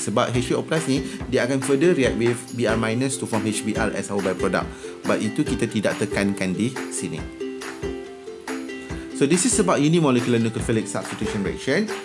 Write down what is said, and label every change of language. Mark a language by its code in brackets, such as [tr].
[ms] Sebab H3O+ ni, dia akan [en] further react with Br- to form HBr as our byproduct. [ms] But itu kita tidak tekankan di sini. [en] So this is about unimolecular nucleophilic substitution reaction.